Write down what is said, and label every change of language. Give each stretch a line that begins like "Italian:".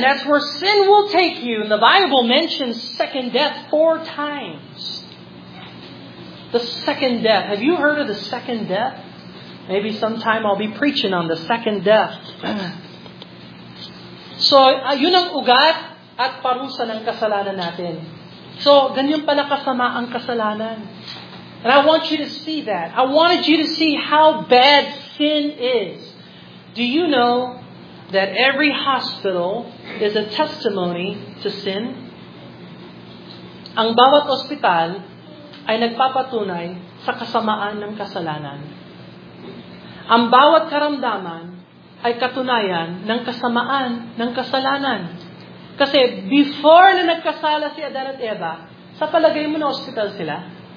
English: That's where sin will take you. And the Bible mentions second death 4 times. The second death. Have you heard of the second death? Maybe sometime I'll be preaching on the second death.
Filipino: So, yun ang ugat at parusa ng kasalanan natin. So, ganyan pala kasama ang kasalanan.
English: And I want you to see that. I wanted you to see how bad sin is. Do you know that every hospital is a testimony to sin?
Filipino: Ang bawat ospital ay nagpapatunay sa kasamaan ng kasalanan. Ang bawat karamdaman ay katunayan ng kasamaan ng kasalanan. Kasi before na nagkasala si Adan at Eva, sa palagay mo na hospital sila?